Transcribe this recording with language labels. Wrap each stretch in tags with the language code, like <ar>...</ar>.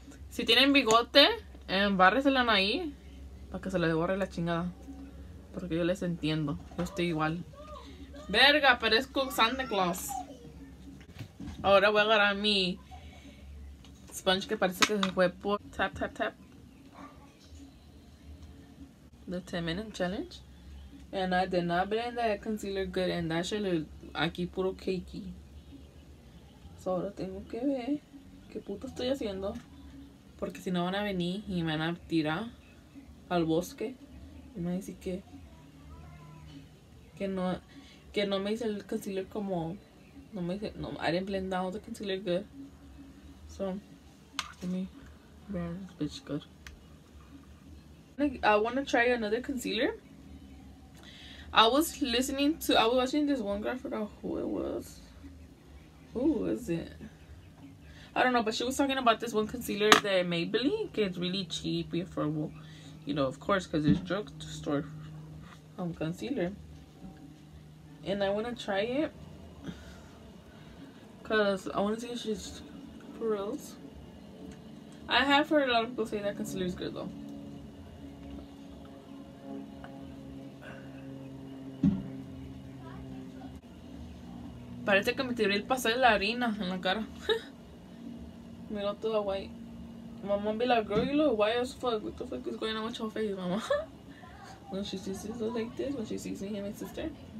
<es>Si tienen bigote, embárreselan ahí para que se les borre la chingada. Porque yo les entiendo. Yo estoy igual. Verga, parezco Santa Claus. Ahora voy a agarrar mi sponge que parece que se fue por tap, tap, tap.</es> <en>The 10 minute challenge. And I did not blend that concealer good, and that shit is</en> <es>aquí puro</es> <en>cakey.</en> <es>So ahora tengo que ver qué puto estoy haciendo. Porque si no van a venir y me van a tirar al bosque. Y me van a decir que no me hice el concealer como. No me hice.</es> <en>No, I didn't blend out the concealer good. So, let me blend this bitch good. I wanna try another concealer. I was watching this one girl, I forgot who it was. Who was it? I don't know, but she was talking about this one concealer that Maybelline,</en> <es>que</es> <en>it's really cheap and affordable. You know, of course, because it's drugstore concealer. And I want to try it. Because I want to see if she's for reals. I have heard a lot of people say that concealer is good though.</en> <es>Parece que me tiré el pastel de la harina en la cara. Mira todo</es> <en>white. Mamá be like, girl, you look white as fuck. What the fuck is going on with your face, mamá? When she sees this look like this, when she sees me and my sister.</en>